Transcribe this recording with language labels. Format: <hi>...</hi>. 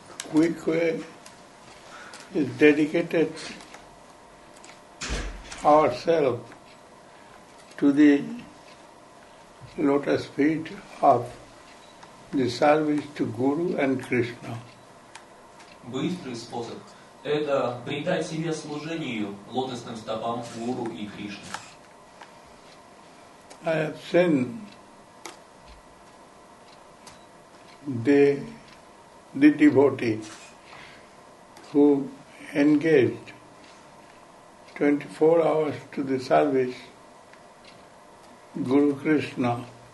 <en>Quick way is dedicated ourselves to the lotus feet of the service to Guru and Krishna.</en> <ru>Быстрый способ – это предать себя служению лотосным стопам Гуру и Кришне.</ru> <en>I have seen the devotee who engaged 24 hours to the service Guru Krishna.</en>